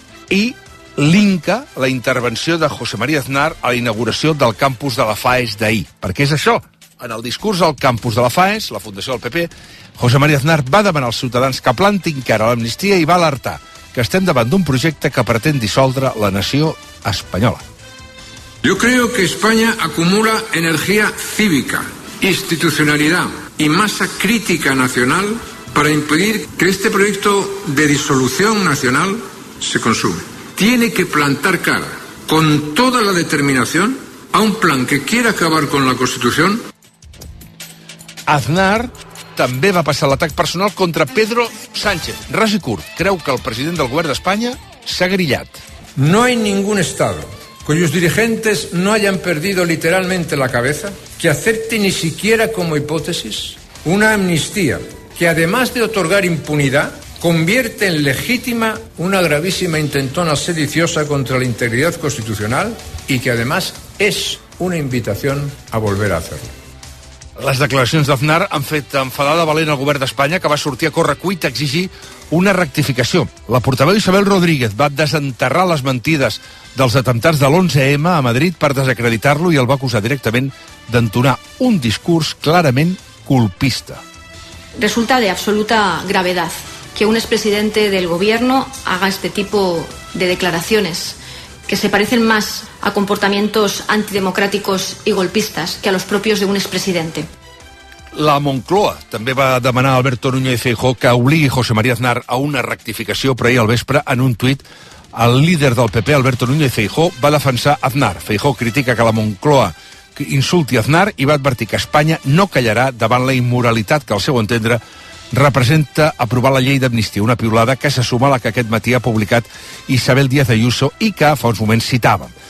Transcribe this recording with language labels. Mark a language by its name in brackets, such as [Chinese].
[Catalan] I linka la intervenció de José María Aznar a la inauguració del campus de la FAES d'ahir. Perquè és això. En el discurs al campus de la FAES, la Fundació del PP, José María Aznar va demanar als ciutadans que plantin cara a l'amnistia i va alertar que estem davant d'un projecte que pretén dissoldre la nació espanyola. [Spanish] Yo creo que España acumula energía cívica, institucionalidad y masa crítica nacional para impedir que este proyecto de disolución nacional se consume. Tiene que plantar cara con toda la determinación a un plan que quiera acabar con la Constitución. [Catalan] Aznar també va passar l'atac personal contra Pedro Sánchez. Ras i curt, creu que el president del govern d'Espanya s'ha grillat. [Spanish] No hay ningún estado cuyos dirigentes no hayan perdido literalmente la cabeza que acepte ni siquiera como hipótesis una amnistía que además de otorgar impunidad convierte en legítima una gravísima intentona sediciosa contra la integridad constitucional y que además es una invitación a volver a hacerlo. [Catalan] Les declaracions d'Aznar han fet enfadar de valent el govern d'Espanya, que va sortir a correcuita a exigir una rectificació. La portaveu Isabel Rodríguez va desenterrar les mentides dels atemptats de l'11M a Madrid per desacreditar-lo i el va acusar directament d'entonar un discurs clarament culpista. [Spanish] Resulta de absoluta gravedad que un expresidente del gobierno haga este tipo de declaraciones que se parecen más a comportamientos antidemocráticos y golpistas que a los propios de un expresidente. [Catalan] La Moncloa també va demanar a Alberto Núñez Feijóo que obligui José María Aznar a una rectificació, però ahir al vespre, en un tuit, el líder del PP, Alberto Núñez Feijóo, va defensar Aznar. Feijóo critica que la Moncloa insulti Aznar i va advertir que Espanya no callarà davant la immoralitat que, al seu entendre, representa aprovar la llei d'amnistia, una piulada que se suma a la que aquest matí ha publicat Isabel Díaz Ayuso i que fa uns moments citava.